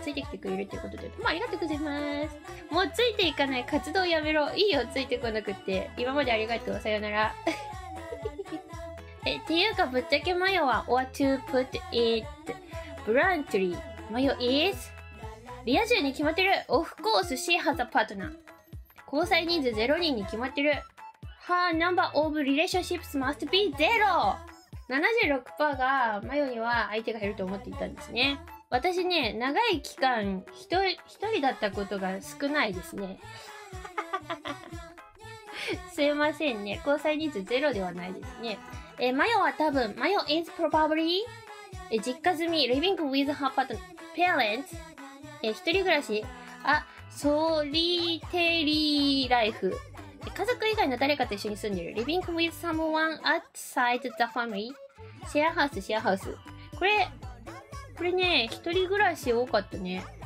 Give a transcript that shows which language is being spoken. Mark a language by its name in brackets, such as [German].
[Japanese] ついてきてくれるっていうことで。まあ、ありがとうございます。もうついていかない。活動やめろ。いいよ、ついてこなくって。今までありがとう。さよなら。っていうか、ぶっちゃけマヨは、 [English] or to put it bluntly. [Japanese] マヨ is? リア充に決まってる。 [English] Of course, she has a partner. [Japanese] 交際人数0人に決まってる。 [English] Her number of relationships must be zero! [Japanese] 76% がマヨには相手がいると思っていたんですね。私ね、長い期間一人だったことが少ないですね。すいませんね、交際人数ゼロではないですね。マヨは多分、マヨ [English] is probably [Japanese] 実家住み、 [English] living with her parents、 [Japanese] 一人暮らし、あ、ソリテリーライフ、家族以外の誰かと一緒に住んでる、 [English] living with someone outside the family、 [Japanese] シェアハウス、シェアハウス、これね、一人暮らし多かったね。